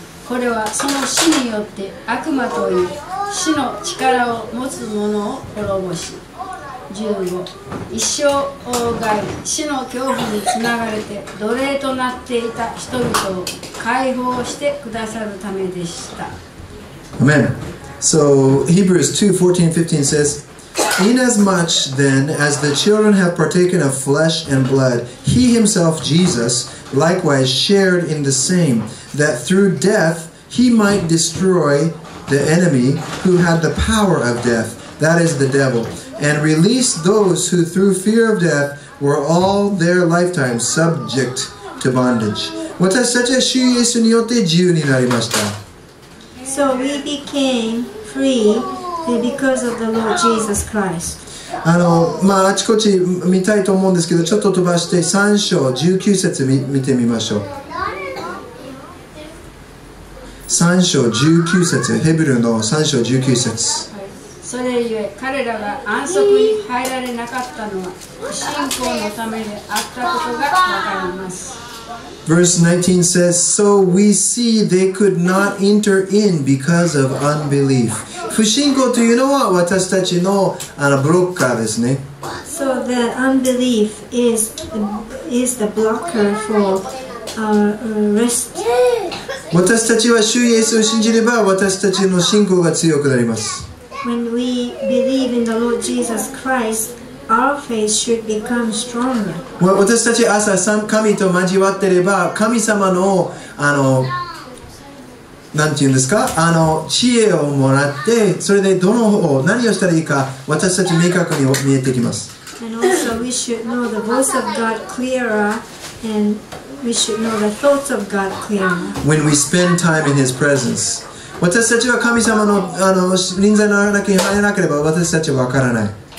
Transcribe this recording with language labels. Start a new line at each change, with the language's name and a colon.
Japanese: これはその死によって悪魔という死の力を持つ者を滅ぼし、15一生を害死の恐怖につながれて奴隷となっていた人々を解放してくださるためでした。
English: Amen. So Hebrews 2:14-15 says, Inasmuch then as the children have partaken of flesh and blood, he himself, Jesus, likewise shared in the same, that through death he might destroy the enemy who had the power of death, that is the devil. And release those who through fear of death were all their lifetime subject to bondage.
Japanese: 私たちは主イエスによって自由になりました。
English: So we became free because of the Lord Jesus Christ.
Japanese: あちこち見たいと思うんですけど、ちょっと飛ばして3章19節見てみましょう。 3章19節、ヘブルの3章19節。それゆえ彼らが安息に入られなかったのは信仰のためであったことがわかります。
English: Verse 19 says, So we see they could not enter in because of unbelief.
Japanese: 不信仰というのは私たちの、ブロッカーですね。
English: So the unbelief is the blocker for rest.
Japanese: 私たちは主イエスを信じれば私たちの信仰が強くなります。
English: When we believe in the Lord Jesus Christ, our faith should become stronger.
Japanese: Well, 私たち朝神と交わっていれば、神様の何て言うんですか、知恵をもらって、それでどの方を何をしたらいいか、私たち明確に見えてきます。
English: And also we should know the voice of God clearer, and we should know the thoughts of God clearer. When we spend time in His presence.
Japanese: 私たちは神様の臨在の中に入らなければ私たちは分からない。